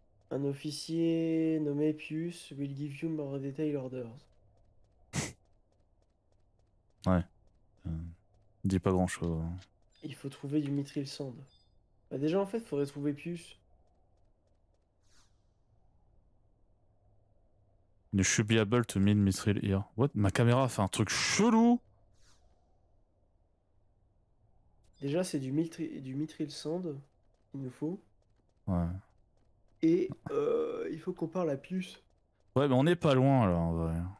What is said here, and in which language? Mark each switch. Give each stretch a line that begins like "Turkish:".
French: Un officier nommé
English: Pius will give you more detailed orders.
French: Dis pas grand chose. Il faut trouver du Mithril Sand. Bah déjà en fait, il faudrait trouver Pius.
English: You should be able to mine Mithril here. What?
French: Ma caméra fait un truc chelou! Déjà, c'est du Mithril Sand qu'il nous faut. Ouais. Et il faut qu'on parle à Pius. Mais on est pas loin là en vrai.